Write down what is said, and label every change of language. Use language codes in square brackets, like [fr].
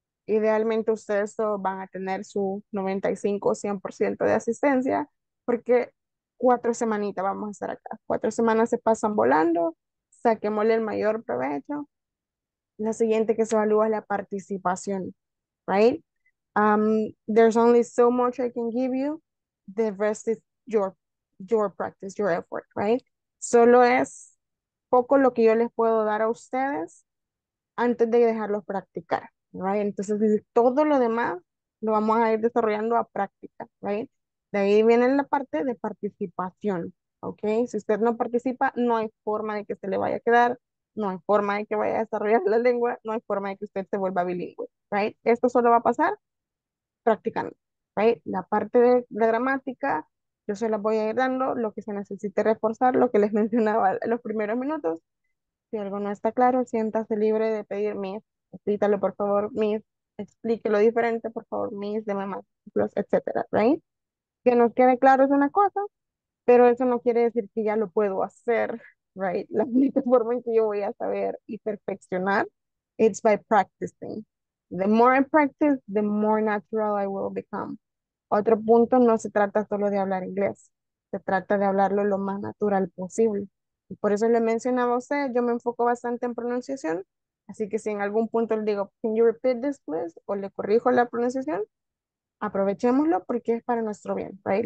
[es] Idealmente ustedes van a tener su 95 o 100% de asistencia, porque 4 semanitas vamos a estar acá. 4 semanas se pasan volando, saquémosle el mayor provecho. La siguiente que se evalúa es la participación, ¿right? [en] There's only so much I can give you. The rest is your practice, your effort, right? [es] Solo es poco lo que yo les puedo dar a ustedes antes de dejarlos practicar, right? Entonces, todo lo demás lo vamos a ir desarrollando a práctica, right? De ahí viene la parte de participación, okay? Si usted no participa, no hay forma de que se le vaya a quedar, no hay forma de que vaya a desarrollar la lengua, no hay forma de que usted se vuelva bilingüe, right? Esto solo va a pasar practicando, right? La parte de la gramática, yo se las voy a ir dando, lo que se necesite reforzar, lo que les mencionaba en los primeros minutos. Si algo no está claro, siéntase libre de pedir, Miss, explícalo por favor, Miss, explíquelo diferente, por favor, Miss, deme más ejemplos, etcétera, ¿right? Que nos quede claro es una cosa, pero eso no quiere decir que ya lo puedo hacer, ¿right? La única forma en que yo voy a saber y perfeccionar, [en] it's by practicing. The more I practice, the more natural I will become. [es] Otro punto, no se trata solo de hablar inglés, se trata de hablarlo lo más natural posible. Y por eso le mencionaba a usted, yo me enfoco bastante en pronunciación, así que si en algún punto le digo, [en] can you repeat this please, [es] o le corrijo la pronunciación, aprovechémoslo porque es para nuestro bien, right?